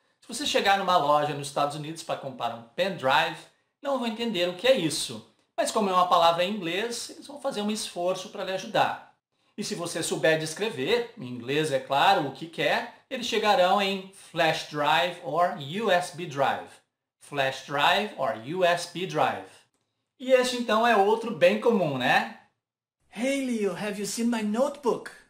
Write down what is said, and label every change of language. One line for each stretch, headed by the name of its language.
Portuguese: Se você chegar numa loja nos Estados Unidos para comprar um pendrive, não vão entender o que é isso. Mas como é uma palavra em inglês, eles vão fazer um esforço para lhe ajudar. E se você souber descrever, em inglês é claro, o que quer, eles chegarão em
English: flash drive or USB drive. Flash drive or USB drive.
Portuguese: E este, então, é outro bem comum, né?
English: Hey, Leo, have you seen my notebook?